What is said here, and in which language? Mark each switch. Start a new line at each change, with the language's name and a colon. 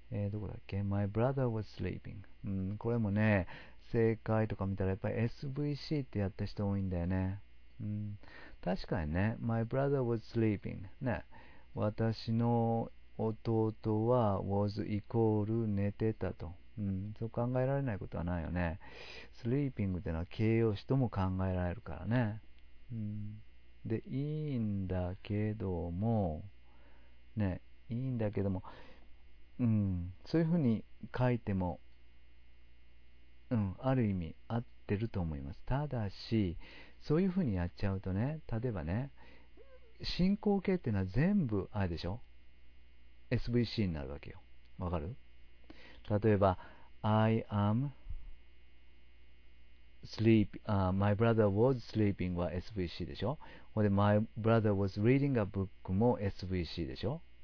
Japanese: どこだっけ
English: ?My brother was sleeping.
Japanese: これもね、正解とか見たらやっぱり SVC ってやった人多いんだよね。確かにね。
English: My brother was sleeping.
Japanese: ね。私の弟は was イコール寝てたと、そう考えられないことはないよね。スリーピングというのは形容詞とも考えられるからね、でいいんだけどもね、いいんだけども、そういうふうに書いても、ある意味合ってると思います。ただしそういうふうにやっちゃうとね、例えばね、進行形っていうのは全部あれでしょ、SVC になるわけよ。わかる？例えば、
English: I am sleep, my brother was sleeping
Japanese: は SVC でしょ？
English: で、my brother was reading a book
Japanese: も SVC でしょ？